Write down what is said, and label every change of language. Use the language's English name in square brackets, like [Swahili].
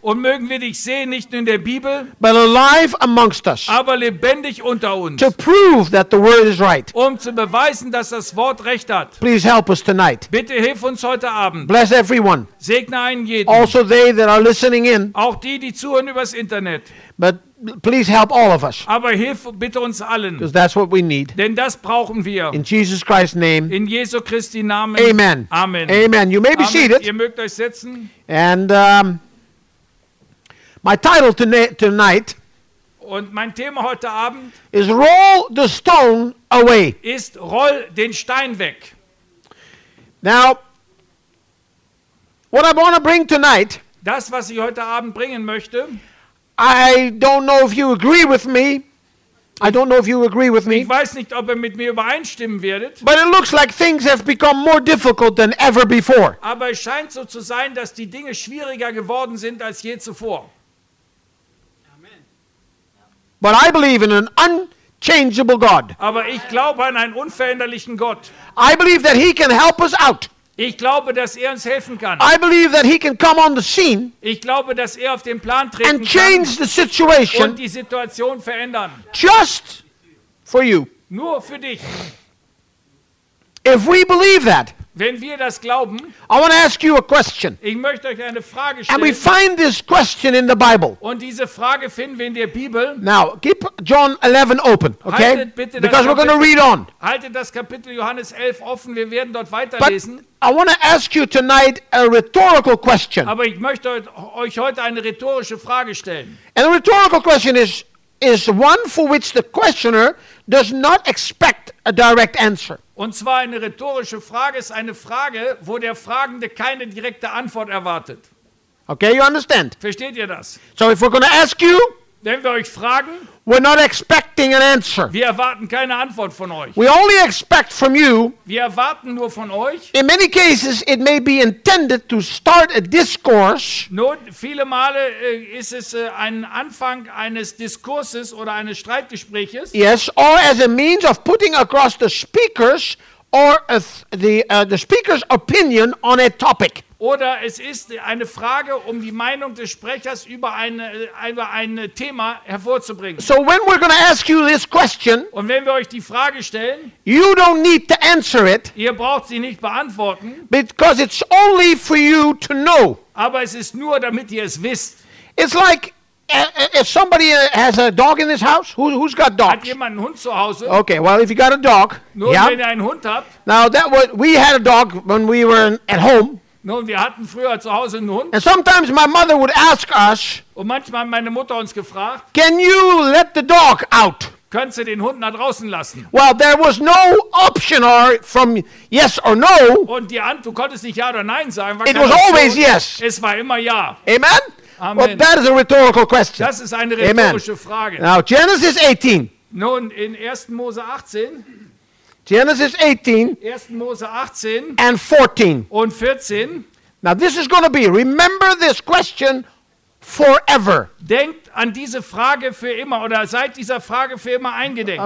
[German] Und mögen wir dich sehen, nicht nur in der Bibel. [English] But alive amongst us. [German] Aber lebendig unter uns. [English] To prove that the word is right. [German] Um zu beweisen, dass das Wort recht hat. [English] Please help us tonight. [German] Bitte hilf uns heute Abend. [English] Bless everyone. [German] Segne einen jeden. [English] Also they that are listening in. [German] Auch die, die zuhören übers Internet. [English] But please help all of us. [German] Aber hilf bitte uns allen. [English] Because that's what we need. [German] Denn das brauchen wir. [English] In Jesus Christ's name. [German] In Jesu Christi Namen. [English] Amen. [German] Amen. [English] Amen. You may be seated. [German] Ihr mögt euch setzen. [English] And my title tonight. [German] Und mein Thema heute Abend [English] is roll the stone away. [German] Ist roll den Stein weg. [English] Now, what I want to bring tonight. [German] Das, was ich heute Abend bringen möchte. [English] I don't know if you agree with me. I don't know if you agree with me. [German] Ich weiß nicht, ob ihr mit mir übereinstimmen werdet. [English] But it looks like things have become more difficult than ever before. [German] Aber es scheint so zu sein, dass die Dinge schwieriger geworden sind als je zuvor. [English] But I believe in an unchangeable God. [German] Aber ich glaube an einen unveränderlichen Gott. [English] I believe that he can help us out. [German] Ich glaube, dass er uns helfen kann. [English] I believe that he can come on the scene. [German] Ich glaube, dass er auf den Plan treten [English] and change the situation. [German] Und die Situation verändern. [English] Just for you. [German] Nur für dich. [English] If we believe that. [German] Wenn wir das glauben. [English] I want to ask you a question. [German] Ich möchte euch eine Frage stellen. [English] And we find this question in the Bible. [German] Und diese Frage finden wir in der Bibel. [English] Now, keep John 11 open, okay? [German] Haltet bitte [English] because [German] das [English] we're going to read on. [German] Haltet das Kapitel Johannes 11 offen, wir werden dort weiterlesen. [English] But I want to ask you tonight a rhetorical question. [German] Aber ich möchte euch heute eine rhetorische Frage stellen. [English] And a rhetorical question is one for which the questioner does not expect a direct answer. [German] Und zwar eine rhetorische Frage ist eine Frage, wo der Fragende keine direkte Antwort erwartet. [English] Okay, you understand? [German] Versteht ihr das? [English] So if we're going to ask you, [German] wenn wir euch fragen, [English] we're not expecting an answer. [German] Wir erwarten keine Antwort von euch. [English] We only expect from you. [German] Wir erwarten nur von euch. [English] In many cases it may be intended to start a discourse. [German] Nur viele Male ist es ein Anfang eines Diskurses oder eines Streitgespräches. [English] Yes, or as a means of putting across the speakers or the speaker's opinion on a topic. [German] Oder es ist eine Frage, um die Meinung des Sprechers über ein Thema hervorzubringen. [English] So when we're gonna ask you this question, [German] und wenn wir euch die Frage stellen, [English] you don't need to answer it, [German] ihr braucht sie nicht beantworten, [English] because it's only for you to know. [German] Aber es ist nur, damit ihr es wisst. [English] It's like if somebody has a dog in this house, who's got dogs? [German] Hat jemand einen Hund zu Hause? [English] Okay, well, if you got a dog, [German] nur yeah. Wenn ihr einen Hund habt. [English] Now that was, we had a dog when we were at home. [German] Nun, wir hatten früher zu Hause einen Hund. [English] And sometimes my mother would ask us, [German] und manchmal hat meine Mutter uns gefragt, [English] can you let the dog out? [German] Könntest du den Hund nach draußen lassen? [English] Well, there was no option or from yes or no. [German] Und die Antwort, du konntest nicht ja oder nein sagen. [English] It was always yes. [German] Es war immer ja. [English] Amen? [German] Amen. [English] Well, that is a rhetorical question. [German] Das ist eine rhetorische Amen. Frage. [English] Now, Genesis 18. [German] Nun, in 1. Mose 18. [English] Genesis 18, [German] 1. Mose 18 [English] and 14. [German] Und 14. [English] Now this is going to be, remember this question forever. [German] Denkt an diese Frage für immer oder seid dieser Frage für immer eingedenkt.